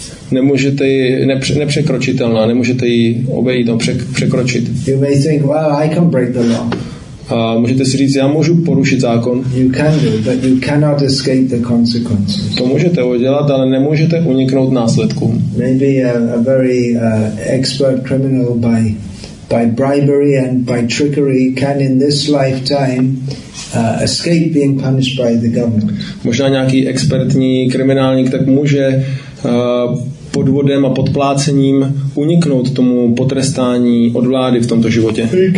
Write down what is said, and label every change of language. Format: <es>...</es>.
<cs>Nemůžete ji nepřekročitelná, nemůžete ji obejít, překročit.</cs> <en>You may think, well, I can break the law.</en> <cs>Můžete si říct, já můžu porušit zákon.</cs> <en>You can do, but you cannot escape the consequences.</en> <cs>To můžete udělat, ale nemůžete uniknout následkům.</cs> <en>Maybe a very expert criminal by bribery and by trickery can in this lifetime escape being punished by the government.</en> <cs>Možná nějaký expertní kriminálník tak může podvodem a podplácením uniknout tomu potrestání od vlády v tomto životě.</cs>